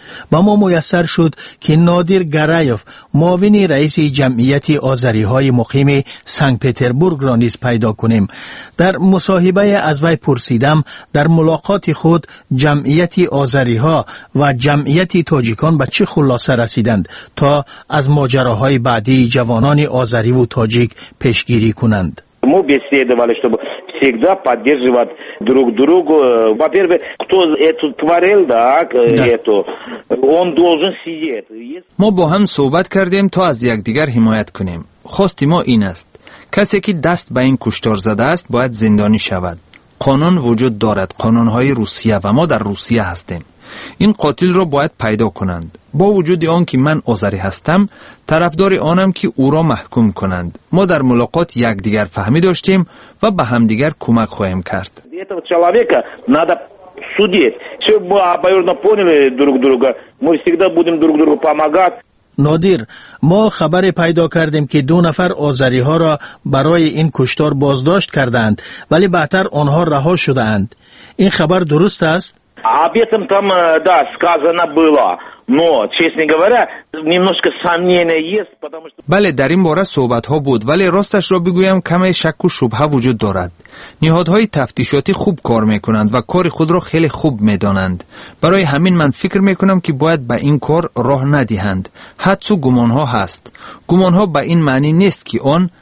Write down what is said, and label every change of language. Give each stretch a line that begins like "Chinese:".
Persian: با ما میسر شد که نادر گرایف معاون رئیس جمعیت آذری های مقیم سن پترزبورگ را نیز پیدا کنیم در مصاحبه از وی پرسیدم در ملاقات خود جمعیت آذری ها و جمعیت تاجیکان به چه خلاصه رسیدند تا از ماجراهای بعدی جوانان آذری و تاجیک پیشگیری کنند
Russian: мо беседовали, чтобы всегда поддерживать друг друга. Во-первых, кто это творил, да, это, он должен сидеть.
Tajik: Мо бо ҳам суҳбат кардем, то аз якдигар ҳимоят кунем. Хости мо ин аст. Касе ки даст ба ин куштор задааст, бояд зиндонӣ шавад. Қонун вуҷуд дорад, қонунҳои Русия ва мо дар Русия ҳастем.
Persian: این قاتل را باید پیدا کنند با وجود آن که من آذری هستم طرفدار آنم که او را محکوم کنند ما در ملاقات یکدیگر فهمی داشتیم و به همدیگر کمک خواهیم کرد
Russian: этого человека надо судить все мы обоюдно поняли друг друга мы всегда будем друг другу помогать
Persian: نادر ما خبر پیدا کردیم که دو نفر آذری ها را برای این کشتار بازداشت کردند ولی بعدتر آنها رها شده اند این خبر درست است
Russian: Об этом там, да, сказано было, но, честно говоря, немножко сомнения есть, потому что...
Tajik: Бале, дарим бора собатхо буд, вале росташ ро бигуям, каме шакку шубха вуджуд дорад. Ниҳодҳои тафтишоти хуб кор мекунанд ва кори худро хеле хуб медонанд. Барои ҳамин ман фикр мекунам ки бояд ба ин кор роҳ надиҳанд. Ҳадсу гумонҳо ҳаст. Гумонҳо ба ин маънӣ нест ки он...